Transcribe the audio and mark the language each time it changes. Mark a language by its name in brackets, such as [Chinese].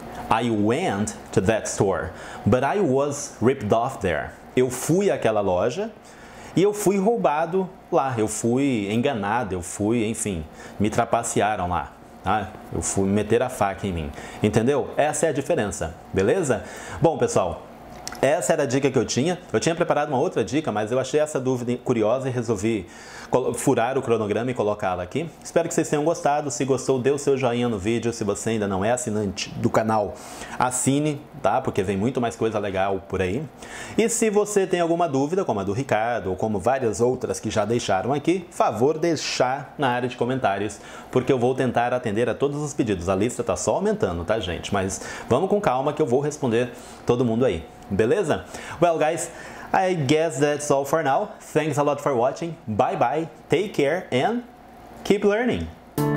[English] I went to that store, but I was ripped off there. [Portuguese] Eu fui àquela loja e eu fui roubado lá. Eu fui enganado, eu fui, enfim, me trapacearam lá. Ah, eu fui meter a faca em mim. Entendeu? Essa é a diferença, beleza? Bom, pessoal, essa era a dica que eu tinha. Eu tinha preparado uma outra dica, mas eu achei essa dúvida curiosa e resolvi furar o cronograma e colocá-la aqui. Espero que vocês tenham gostado. Se gostou, dê o seu joinha no vídeo. Se você ainda não é assinante do canal, assine, tá? Porque vem muito mais coisa legal por aí. E se você tem alguma dúvida, como a do Ricardo, ou como várias outras que já deixaram aqui, favor deixar na área de comentários, porque eu vou tentar atender a todos os pedidos. A lista tá só aumentando, tá, gente? Mas vamos com calma que eu vou responder todo mundo aí. Beleza? [English] Well, guys, I guess that's all for now. Thanks a lot for watching. Bye-bye. Take care and keep learning.